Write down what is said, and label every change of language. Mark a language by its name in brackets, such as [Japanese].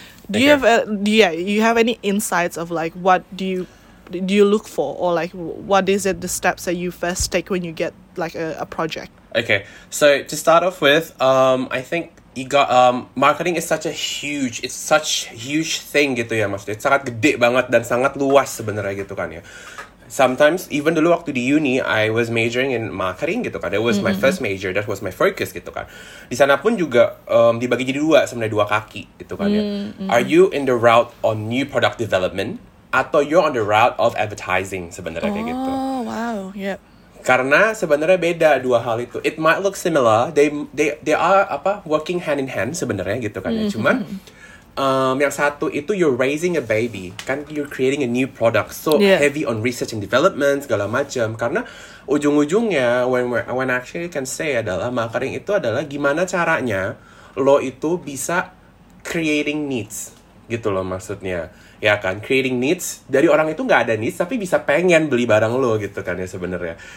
[English] Do you have any insights of like what do you look for, or like what is it, the steps that you first take when you get like a project? Okay, so to start off with, I think you got marketing is such a huge, it's such huge thing [Indonesian] gitu ya maksudnya. [English] It's [Indonesian] sangat gede banget dan sangat luas sebenarnya gitu kan ya. [English] Sometimes even [Indonesian] dulu waktu di uni [English] I was majoring in marketing [Indonesian] gitu kan. [English] That was my first major, that was my focus gitu kan. [Indonesian] Di sana pun juga dibagi jadi dua, sebenarnya dua kaki gitu kan ya. [English] Are you in the route on new product development [Indonesian] atau [English] you're on the route of advertising [Indonesian] sebenarnya kayak gitu. [English] Oh, wow. Yep. [Indonesian] Karena sebenarnya beda dua hal itu. [English] It might look similar. They are [Indonesian] apa [English] working hand in hand [Indonesian] sebenarnya gitu kan. Cuman yang satu itu [English] you're raising a baby, [Indonesian] kan [English] you're creating a new product. So heavy on research and development [Indonesian] segala macam. Karena ujung-ujungnya [English] when actually can say [Indonesian] adalah marketing itu adalah gimana caranya lo itu bisa [English] creating needs. [Indonesian] gitu loh maksudnya, ya kan, [English] creating needs [Indonesian] dari orang itu nggak ada needs tapi bisa pengen beli barang lo gitu kan ya sebenarnya.